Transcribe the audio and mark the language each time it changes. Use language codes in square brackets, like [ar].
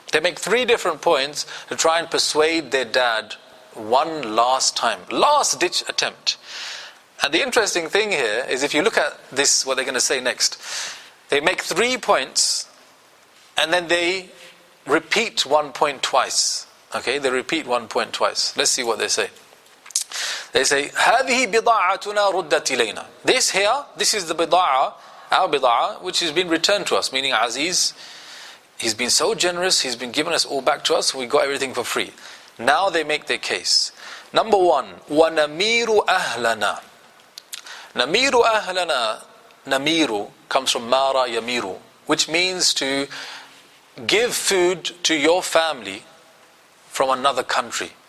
[en] They make 3 different points to try and persuade their dad one last time. Last ditch attempt. And the interesting thing here is if you look at this, what they're going to say next. They make 3 points and then they repeat 1 point twice. Okay, they repeat 1 point twice. Let's see what they say. [ar] They say, هَذِهِ بِضَاعَتُنَا رُدَّتْ إِلَيْنَا. [en] This here, this is the bida'a, our bida'a, which has been returned to us. Meaning Aziz, he's been so generous, he's been giving us all back to us, we got everything for free. Now they make their case. Number one, [ar] وَنَمِيرُ أَهْلَنَا. نَمِيرُ أَهْلَنَا, [en] نَمِيرُ comes from [ar] مَارَ يَمِيرُ, [en] which means to give food to your family from another country.